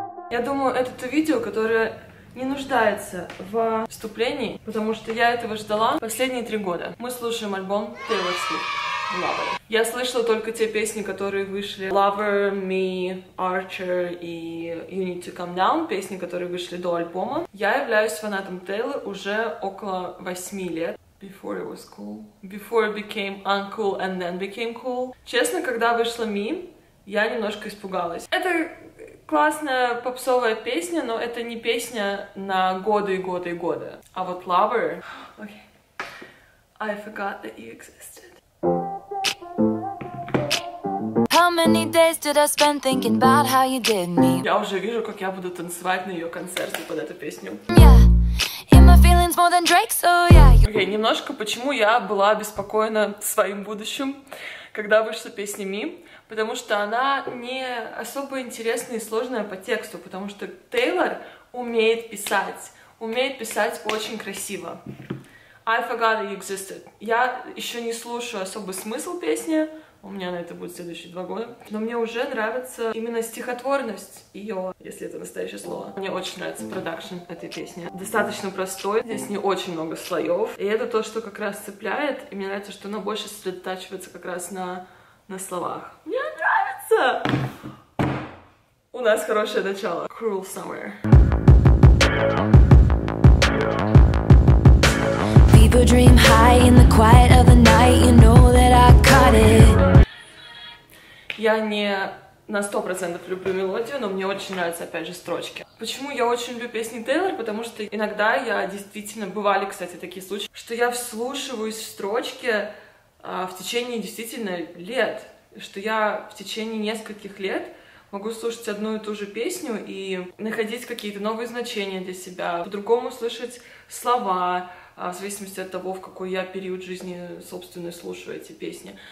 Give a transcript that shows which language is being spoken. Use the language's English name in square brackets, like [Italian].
[Russian] Я думаю, это то видео, которое не нуждается в вступлении, потому что я этого ждала последние 3 года. Мы слушаем альбом Taylor Swift. [English] Lover. [Russian] Я слышала только те песни, которые вышли Lover, Me, Archer и You Need to Calm Down, песни, которые вышли до альбома. Я являюсь фанатом Тейлор уже около 8 лет. [English] Before it was cool. Before it became uncool and then became cool. [Russian] Честно, когда вышла Me, я немножко испугалась. Это классная попсовая песня, но это не песня на годы и годы и годы. А вот Lover... [English] Okay. I forgot that you existed. How many days did I spend thinking about how you did me? [Russian] Я уже вижу, как я буду танцевать на ее концерте под эту песню. [English] Yeah, in my feelings more than Drake, so yeah. [Russian] Окей, немножко, почему я была обеспокоена своим будущим, когда вышла песня Me? Потому что она не особо интересная и сложная по тексту, потому что Тейлор умеет писать очень красиво. [English] I forgot that you existed. [Russian] Я еще не слушаю особый смысл песни. У меня на это будет следующие 2 года. Но мне уже нравится именно стихотворность ее, если это настоящее слово. Мне очень нравится продакшн этой песни. Достаточно простой, здесь не очень много слоев. И это то, что как раз цепляет. И мне нравится, что она больше сосредотачивается как раз на словах. Мне нравится! У нас хорошее начало. Cruel Summer. [English] People dream high in the quiet of the night, you know that I caught it. [Russian] Я не на 100% люблю мелодию, но мне очень нравятся, опять же, строчки. Почему я очень люблю песни Тейлор? Потому что иногда я действительно... Бывали, кстати, такие случаи, что я вслушиваюсь в строчки в течение действительно лет. Что я в течение нескольких лет могу слушать одну и ту же песню и находить какие-то новые значения для себя, по-другому слышать слова, в зависимости от того, в какой я период жизни, собственно, слушаю эти песни.